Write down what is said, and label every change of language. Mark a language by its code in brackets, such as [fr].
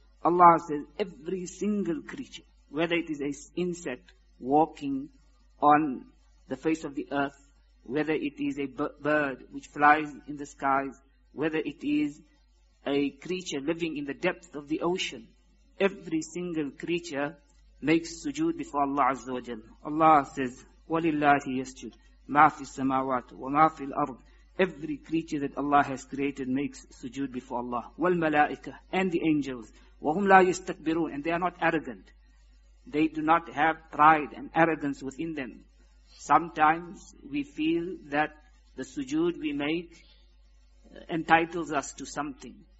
[en] Allah says, every single creature, whether it is an insect walking on the face of the earth, whether it is a bird which flies in the skies, whether it is a creature living in the depth of the ocean, every single creature makes sujood before Allah Azza wa Jal. Allah says, [ar] وَلِلَّهِ يَسْجُدْ مَا فِي السَّمَاوَاتِ وَمَا فِي الْأَرْضِ. [en] Every creature that Allah has created makes sujood before Allah. [ar] وَالْمَلَائِكَ, [en] and the angels. [ar] وَهُمْ لَا يَسْتَكْبِرُونَ, [en] and they are not arrogant. They do not have pride and arrogance within them. Sometimes we feel that the sujood we make entitles us to something.